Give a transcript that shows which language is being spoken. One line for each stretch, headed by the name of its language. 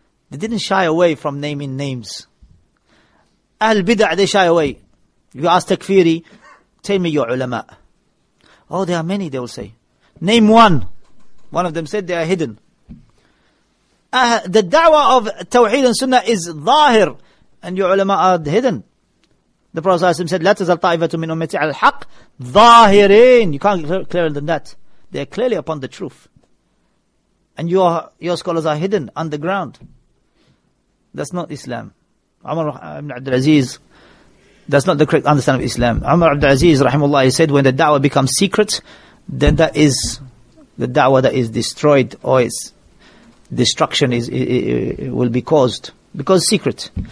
English: They didn't shy away from naming names. Ahl Bid'ah, they shy away. You ask Takfiri, tell me your ulama. Oh, there are many, they will say. Name one. One of them said they are hidden. The da'wah of Tawheed and Sunnah is zahir, and your ulama are hidden. The Prophet said,
Arabic: لا تزال طائفة من أمتي على الحق ظاهرين.
English: You can't be clearer than that. They are clearly upon the truth. And your scholars are hidden underground. That's not Islam. Umar ibn Abdul Aziz, that's not the correct understanding of Islam. Umar ibn Abdul Aziz, rahimullah, he said, when the da'wah becomes secret, then that is the da'wah that is destroyed, or its destruction it will be caused. Because secret.